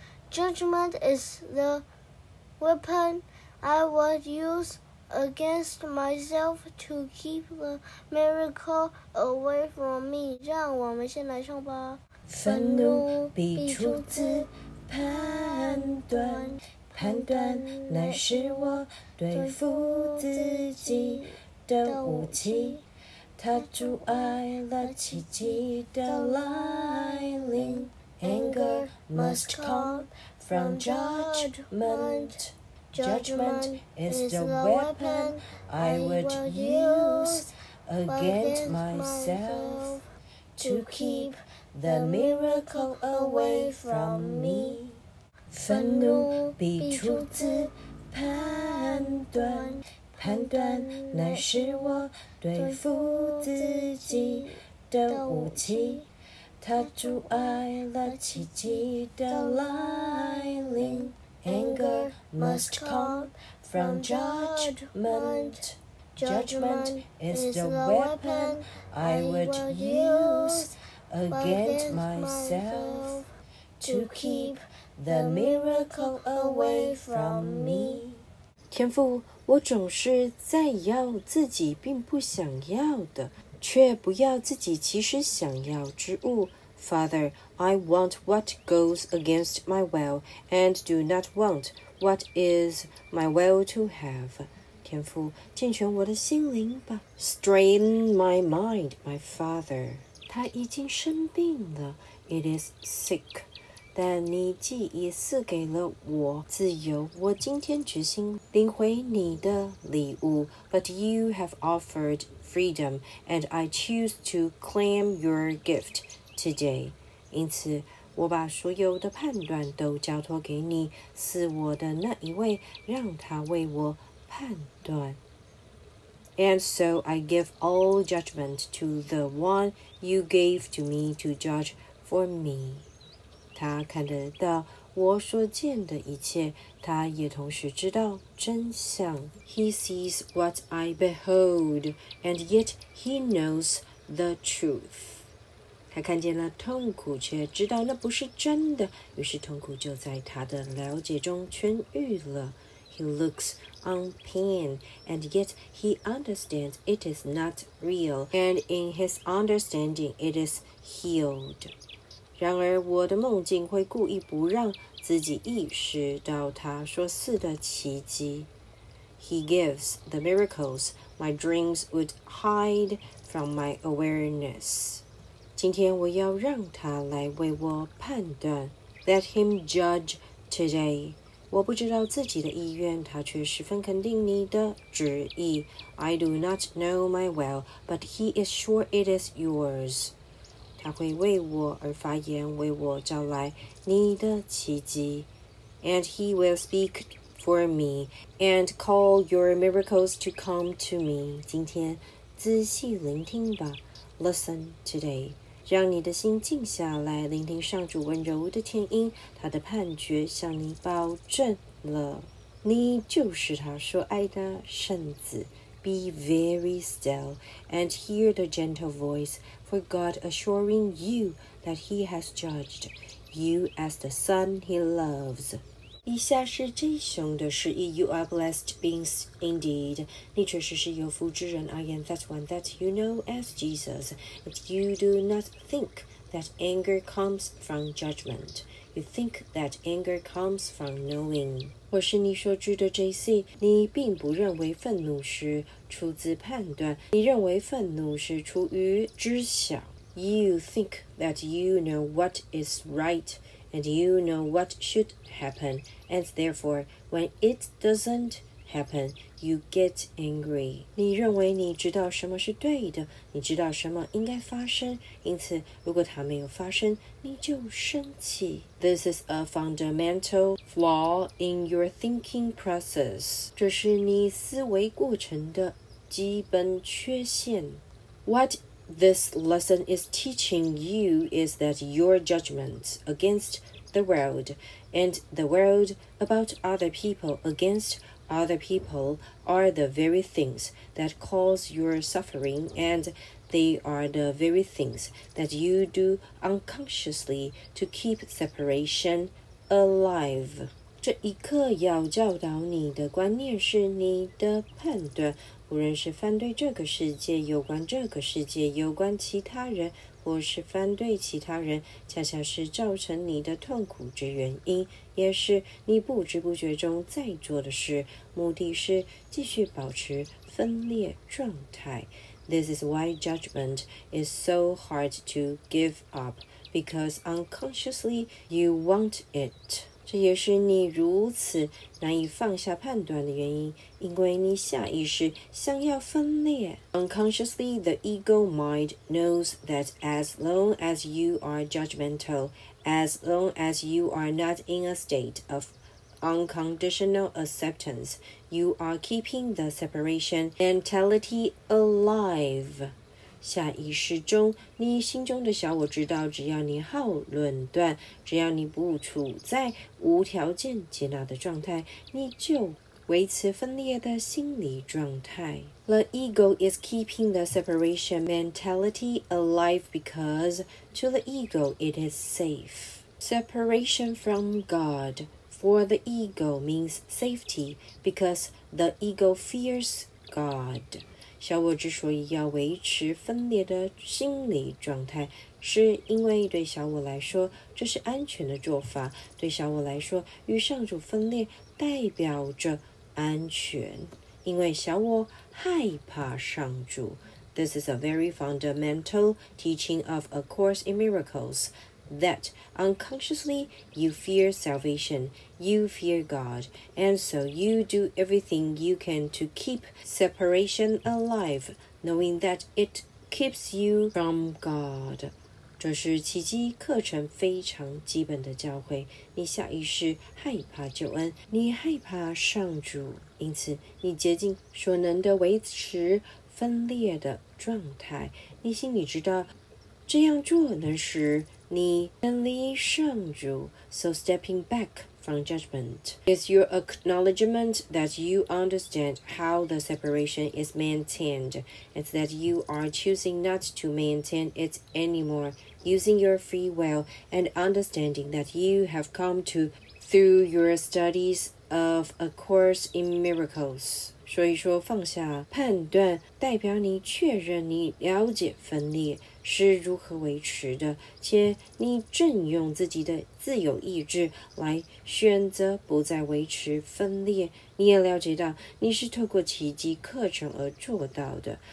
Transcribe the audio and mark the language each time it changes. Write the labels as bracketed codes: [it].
[en] Judgment is the weapon I would use against myself to keep the miracle away from me. [zh] 让我们先来唱吧。愤怒必出自判断，判断乃是我对付自己的武器，它阻碍了奇迹的来临。 [en] Anger must come from judgment. Judgment is the weapon I would use against myself to keep the miracle away from me. [zh] 愤怒必出自判断，判断乃是我对付自己的武器，它阻碍了奇迹的来临。 [en] Anger must come from judgment. Judgment is the weapon I would use against myself to keep the miracle away from me. [zh] 天父，我总是在要自己并不想要的，却不要自己其实想要之物。 [en] Father, I want what goes against my will and do not want what is my will to have. [zh] 天父，健全我的心灵吧。 [en] Strain my mind, my Father. [zh] 他已经生病了， [en] It is sick. [zh] 但你既已赐给了我自由，我今天决心领回你的礼物。 [en] But you have offered freedom, and I choose to claim your gift today. [zh] 因此，我把所有的判断都交托给你，赐我的那一位，让他为我判断。 [en] And so I give all judgment to the one you gave to me to judge for me. [zh] 他看得到我所见的一切，他也同时知道真相。 [en] He sees what I behold, and yet he knows the truth. [zh] 他看见了痛苦，却知道那不是真的，于是痛苦就在他的了解中痊愈了。 [en] He looks on pain, and yet he understands it is not real, and in his understanding it is healed. [zh] 然而我的梦境会故意不让自己意识到他所赐的奇迹。 [en] He gives the miracles my dreams would hide from my awareness. [zh] 今天我要让他来为我判断。 [en] Let him judge today. [zh] 我不知道自己的意愿，他却十分肯定你的旨意。 [en] I do not know my will, but he is sure it is yours. [zh] 他会为我而发言，为我招来你的奇迹。 [en] And he will speak for me and call your miracles to come to me. [zh] 今天仔细聆听吧， [en] Listen today. [zh] 让你的心静下来，聆听上主温柔的天音，他的判决向你保证了，你就是他所爱的圣子。 [en] Be very still and hear the gentle voice for God assuring you that he has judged you as the son he loves. [zh] 以下是这熊的诗意， [en] You are blessed beings indeed. [zh] 你确实是有福之人， [en] I am that one that you know as Jesus. But you do not think that anger comes from judgment. You think that anger comes from knowing. [zh] 我是你所知的 JC， 你并不认为愤怒是出自判断，你认为愤怒是出于知晓。 [en] You think that you know what is right and you know what should happen, and therefore when it doesn't happen, you get angry. [zh] 你认为你知道什么是对的，你知道什么应该发生，因此如果它没有发生，你就生气。 [en] This is a fundamental flaw in your thinking process. [zh] 这是你思维过程的基本缺陷。 [en] What this lesson is teaching you is that your judgment against the world and the world about other people against other people are the very things that cause your suffering and they are the very things that you do unconsciously to keep separation alive. [zh] 这一课要教导你的观念是你的判断，无论是反对这个世界，有关这个世界，有关其他人，或是反对其他人，恰恰是造成你的痛苦之原因，也是你不知不觉中在做的事，目的是继续保持分裂状态。 [en] This is why judgment is so hard to give up, because unconsciously you want it. [zh] 这也是你如此难以放下判断的原因，因为你下意识想要分裂。 [en] Unconsciously, the ego mind knows that as long as you are judgmental, as long as you are not in a state of unconditional acceptance, you are keeping the separation mentality alive. [zh] 下意识中，你心中的小我知道，只要你好论断，只要你不处在无条件接纳的状态，你就维持分裂的心理状态。 [en] The ego is keeping the separation mentality alive because to the ego it is safe. Separation from God for the ego means safety because the ego fears God. [zh] 小我之所以要维持分裂的心理状态，是因为对小我来说，这是安全的做法。对小我来说，与上主分裂代表着安全，因为小我害怕上主。 [en] This is a very fundamental teaching of A Course in Miracles, that unconsciously you fear salvation, you fear God, and so you do everything you can to keep separation alive, knowing that it keeps you from God. [zh] 这是奇迹课程非常基本的教诲。你下意识害怕救恩，你害怕上主，因此你竭尽所能地维持分裂的状态。你心里知道这样做能使你远离上主， [en] so stepping back from judgment is your acknowledgement that you understand how the separation is maintained and that you are choosing not to maintain it anymore, using your free will and understanding that you have come to through your studies of A Course in Miracles. [zh] 所以说放下判断代表你确认你了解分裂是如何维持的，且你正用自己的自由意志来选择不再维持分裂。你也了解到你是透过奇迹课程而做到的。